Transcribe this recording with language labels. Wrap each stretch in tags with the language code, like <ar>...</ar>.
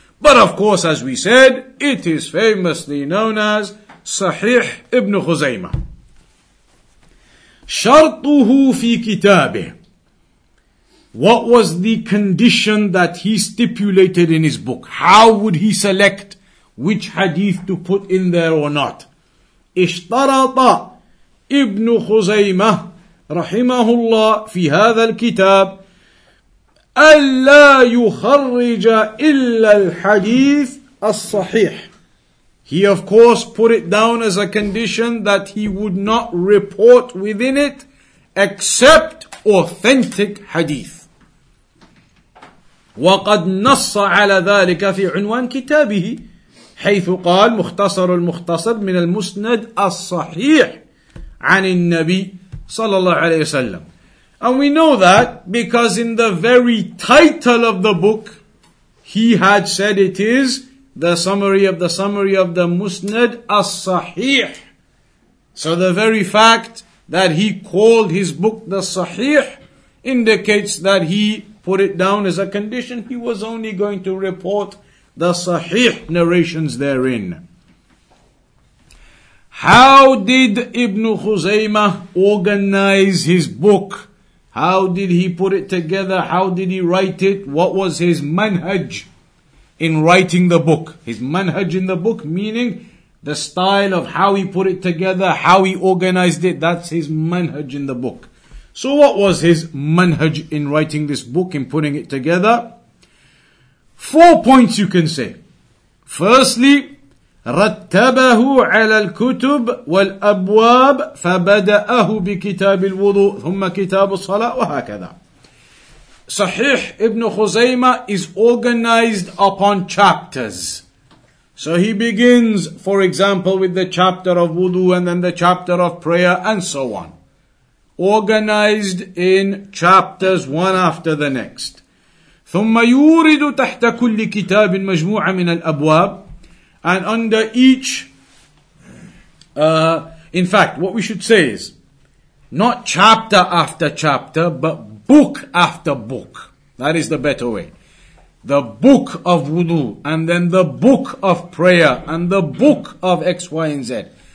<en>But of course, as we said, it is famously known as Sahih Ibn Khuzaymah.</en> <ar>شرطه في كتابه.</ar> <en>What was the condition that he stipulated in his book? How would he select which hadith to put in there or not?</en> <ar>اشترط ابن خزيمة رحمه الله في هذا الكتاب ألا يخرج إلا الحديث الصحيح.</ar> <en>He of course put it down as a condition that he would not report within it except authentic hadith.</en> <ar>وقد نص على ذلك في عنوان كتابه حيث قال مختصر المختصر من المسند الصحيح عن النبي صلى الله عليه وسلم.</ar> <en>And we know that because in the very title of the book he had said it is the summary of the Musnad as-Sahih. So the very fact that he called his book the Sahih indicates that he put it down as a condition he was only going to report the Sahih narrations therein. How did Ibn Khuzaymah organize his book? How did he put it together? How did he write it? What was his manhaj in writing the book? His manhaj in the book, meaning the style of how he put it together, how he organized it, that's his manhaj in the book. So what was his manhaj in writing this book, in putting it together? 4 points you can say. Firstly,</en> <ar>رتبه على الكتب والأبواب فبدأه بكتاب الوضوء ثم كتاب الصلاة وهكذا.</ar> <en>Sahih Ibn Khuzaymah is organized upon chapters. So he begins, for example, with the chapter of wudu and then the chapter of prayer and so on. Organized in chapters one after the next.</en> <ar>ثم يورد تحت كل كتاب مجموعة من الأبواب.</ar> <en>And under each, in fact, what we should say is, not chapter after chapter, but book after book. That is the better way. The book of wudu, and then the book of prayer, and the book of X, Y, and Z.</en>